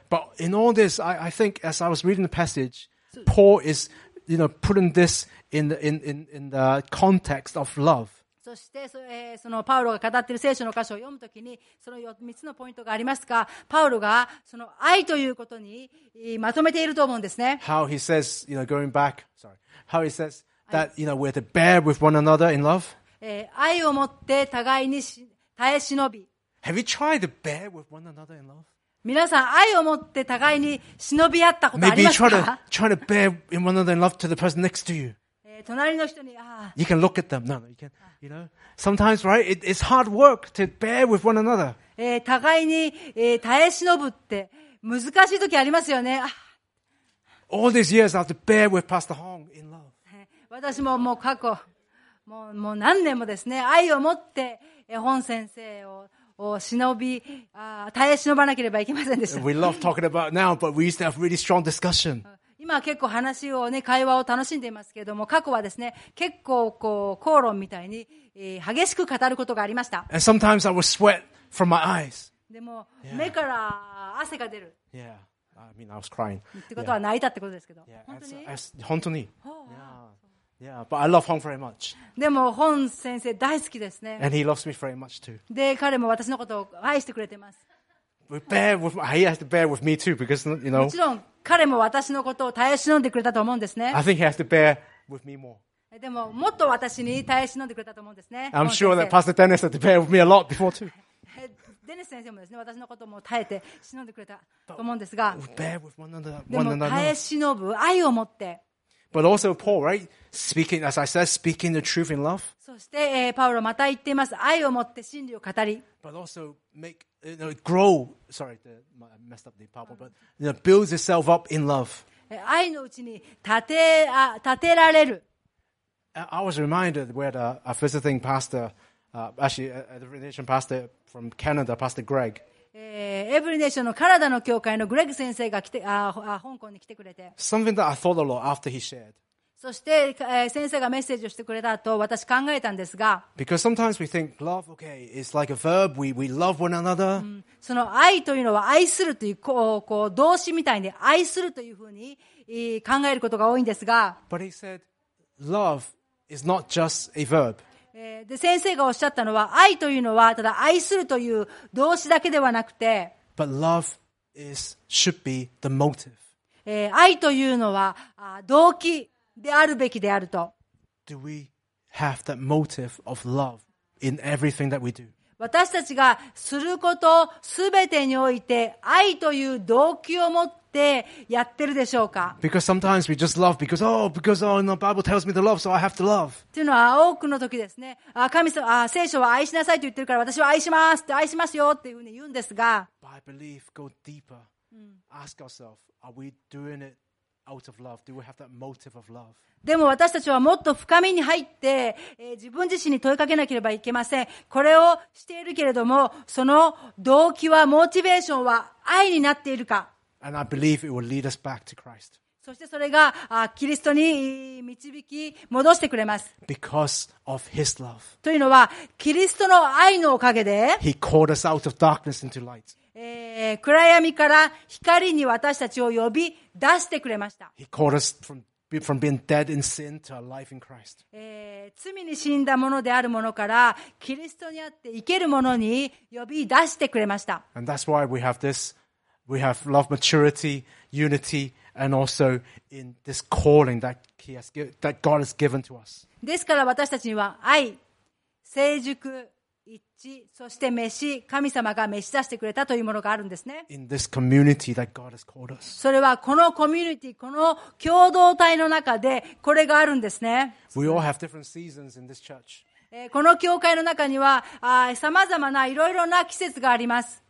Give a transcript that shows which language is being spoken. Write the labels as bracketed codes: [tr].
[en] But in all this, I think as I was reading the passage, Paul is, you know, putting this in the context of love. [ja] そして、そのパウロが語っている聖書の箇所を読むときに、その3つのポイントがありますが、パウロがその愛ということにまとめていると思うんですね。 [en] How he says, you know, going back, sorry, how he says. That, you know, we're to bear with one another in love. [ja] 愛を持って互いに耐え忍び。 [en] Have you tried to bear with one another in love? [ja] 皆さん、愛を持って互いに忍び合ったことありますか? [en] Maybe you try to bear in one another in love to the person next to you. [ja] 隣の人に、 [en] You can look at them. No, you can, you know. Sometimes, right? It's hard work to bear with one another. [ja] 互いに耐え忍ぶって難しい時ありますよね。 [en] All these years, I have to bear with Pastor Hong in love. [ja] 私ももう過去もう何年もですね、愛を持って本先生を忍び耐え忍ばなければいけませんでした。 [en] We love talking about now, but we used to have really strong discussion. [ja] 今は結構話をね、会話を楽しんでいますけれども、過去はですね、結構こう口論みたいに激しく語ることがありました。 [en] And sometimes I would sweat from my eyes. [ja] でも、yeah. 目から汗が出る。 [en] Yeah, I mean I was crying. [ja] ってことは泣いたってことですけど。 [en] Yeah. [ja] 本当に。 [en] Yeah, but I love Hong very much. [ja] でも本先生大好きですね。 [en] And he loves me very much too. [ja] で彼も私のことを愛してくれてます。 [en] We bear with, he has to bear with me too because you know. [ja] もちろん彼も私のことを耐え忍んでくれたと思うんですね。 [en] I think he has to bear with me more. [ja] でももっと私に耐え忍んでくれたと思うんですね。 [en] I'm sure that Pastor Dennis had to bear with me a lot before too. [ja] デニス先生もですね、私のことも耐えて忍んでくれたと思うんですが。 [en] But we bear with one another. [ja] でも耐え忍ぶ愛を持って。 [en] But also Paul, right? Speaking, as I said, speaking the truth in love. [ja] そして、パウロまた言っています。愛を持って真理を語り。 [en] But also make, you know, grow, sorry, I messed up the Bible, but, you know, builds itself up in love. [ja] 愛のうちに立てられる。 [en] I was reminded where a visiting pastor, actually, a relation pastor from Canada, Pastor Greg, [ja] エブリネーションのカナダの教会のグレッグ先生が来て香港に来てくれて、 [en] Something that I thought a lot after he shared. [ja] そして、先生がメッセージをしてくれたと私考えたんですが、 [en] Because sometimes we think love, okay, it's like a verb. We love one another.、 [ja] その愛というのは愛するというこう動詞みたいに愛するというふうに考えることが多いんですが、 [en] But he said love is not just a verb. [ja] で先生がおっしゃったのは、愛というのはただ愛するという動詞だけではなくて、 [en] But love is, should be the motive. [ja] 愛というのは動機であるべきであると。 [en] Do we have that motive of love in everything that we do? [ja] 私たちがすることすべてにおいて愛という動機を持ってやってるでしょうか。 [en] Because sometimes we just love because the Bible tells me to love, so I have to love. [ja] っていうのは多くの時ですね。神様、聖書は愛しなさいと言ってるから私は愛しますって愛しますよっていうふうに言うんですが。 [en] But I believe go deeper. Ask ourselves, are we doing it? Out of love. Do we have that motive of love? [ja] でも私たちはもっと深みに入って、自分自身に問いかけなければいけません。これをしているけれども、その動機は、モチベーションは愛になっているか。 [en] And I believe it will lead us back to Christ. [ja] そしてそれがキリストに導き戻してくれます。 [en] Because of his love. [ja] というのは、キリストの愛のおかげで、 [en] He called us out of darkness into light. [ja] 暗闇から光に私たちを呼び出してくれました。 [en] He called us from being dead in sin to alive in Christ. [ja] 罪に死んだものであるものからキリストにあって生けるものに呼び出してくれました。 [en] And that's why we have this. We have love, maturity, unity, and also in this calling that God has given to us. [ja] ですから私たちには愛、成熟、一致、そして召し、神様が召し出してくれたというものがあるんですね。 [en] In this community that God has called us. [ja] それはこのコミュニティ、この共同体の中でこれがあるんですね。 [en] We all have different seasons in this church. [ja] この教会の中には、さまざまないろいろな季節があります。